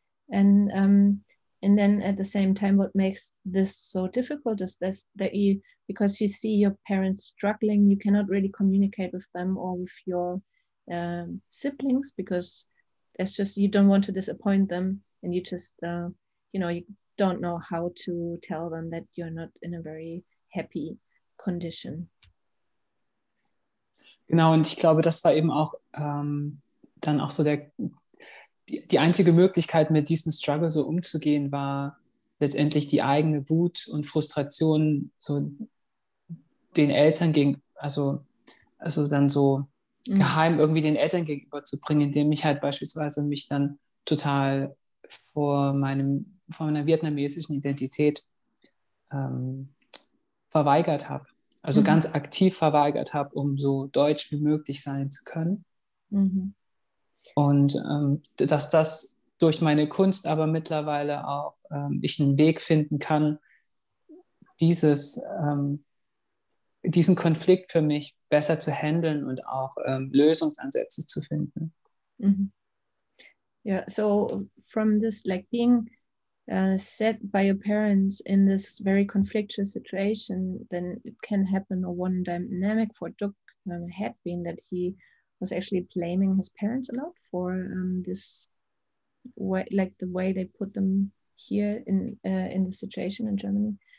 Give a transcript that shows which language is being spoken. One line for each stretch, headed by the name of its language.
English: And then at the same time, what makes this so difficult is this, that you, because you see your parents struggling, you cannot really communicate with them or with your siblings, because it's just, you don't want to disappoint them. And you just, you don't know how to tell them that you're not in a very happy condition.
German: Genau, und ich glaube, das war eben auch dann auch so die einzige Möglichkeit, mit diesem Struggle so umzugehen, war letztendlich die eigene Wut und Frustration so den Eltern gegenüber, also dann so geheim irgendwie den Eltern gegenüber zu bringen, indem ich halt beispielsweise mich dann total vor meiner vietnamesischen Identität verweigert habe. Also ganz aktiv verweigert habe, um so deutsch wie möglich sein zu können. Und dass das durch meine Kunst aber mittlerweile auch ich einen Weg finden kann, diesen Konflikt für mich besser zu handeln und auch Lösungsansätze zu finden.
English: Yeah, so from this, like being set by your parents in this very conflictual situation, then it can happen, or one dynamic for Duk had been that he was actually blaming his parents a lot for this way, like the way they put them here in the situation in Germany.